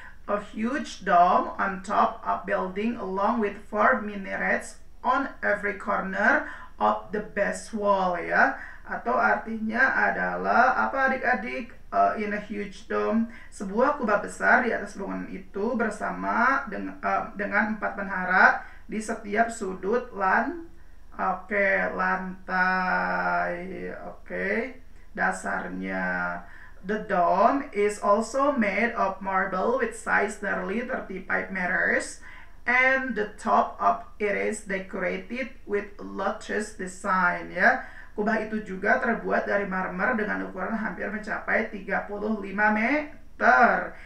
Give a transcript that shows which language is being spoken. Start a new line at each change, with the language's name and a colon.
English: A huge dome on top of building along with four minarets on every corner of the base wall ya.
Indonesian: Atau artinya adalah apa adik-adik?
English: In a huge dome,
Indonesian: sebuah kubah besar di atas bangunan itu bersama dengan empat menara di setiap sudut lantai.
English: Dasarnya, the dome is also made of marble with size nearly 35 meters and the top of it is decorated with lotus design ya.
Indonesian: Kubah itu juga terbuat dari marmer dengan ukuran hampir mencapai 35 meter.